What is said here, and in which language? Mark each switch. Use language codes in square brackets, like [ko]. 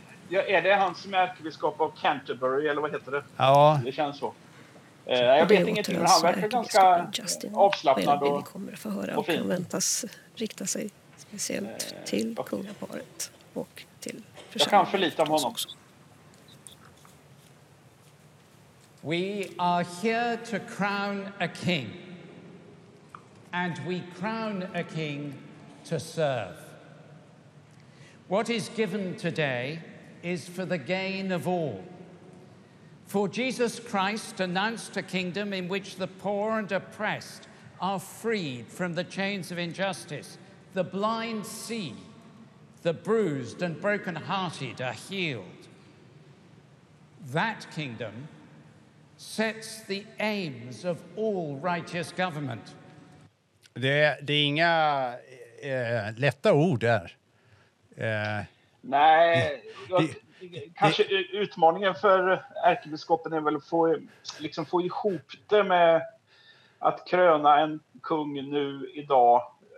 [sv] Är det han som är ärkebiskop av Canterbury, eller vad heter det? Ja. Det känns så. Jag vet inget, men han verkar ganska Justin, avslappnad. Vi kommer att få höra och kan väntas rikta sig speciellt till kungaparet och till församlingen. Jag kan förlita honom också. [en] We are here to crown a king. And we crown a king to serve. What is given today is for the gain of all. For Jesus Christ announced a kingdom in which the poor and oppressed are freed from the chains of injustice. The blind see, the bruised and brokenhearted are healed. That kingdom sets the aims of all righteous government. [sv] Det är inga lätta ord där. Nej, kanske utmaningen för ärkebiskopen är väl att få ihop det med att kröna en kung nu idag.